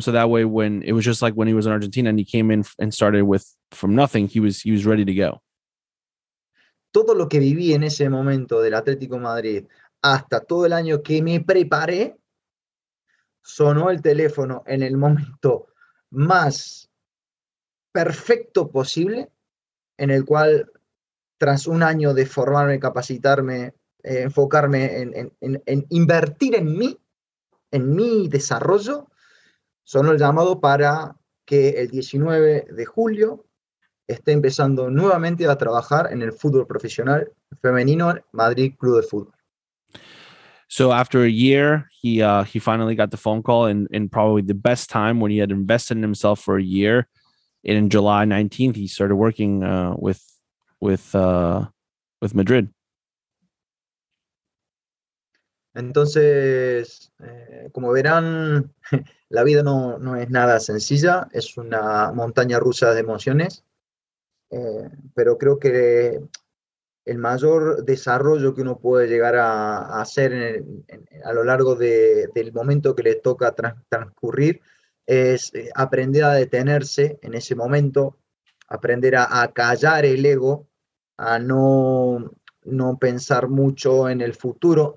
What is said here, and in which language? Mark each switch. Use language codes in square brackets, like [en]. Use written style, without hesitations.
[en] So that way, when it was just like when he was in Argentina and he came in and started with from nothing, he was ready to go. [es] Todo lo que viví en ese momento del Atlético Madrid hasta todo el año que me preparé, sonó el teléfono en el momento más perfecto posible, en el cual, tras un año de formarme, capacitarme, enfocarme en invertir en mi desarrollo, sonó el llamado para que el 19 de julio esté empezando nuevamente a trabajar en el fútbol profesional femenino Madrid Club de Fútbol. [en] So after a year, he finally got the phone call in probably the best time when he had invested in himself for a year. And in July 19th, he started working with Madrid. [es] Entonces, como verán, la vida no es nada sencilla. Es una montaña rusa de emociones. Pero creo que el mayor desarrollo que uno puede llegar a hacer a lo largo del momento que le toca transcurrir es aprender a detenerse en ese momento, aprender a callar el ego, a no pensar mucho en el futuro.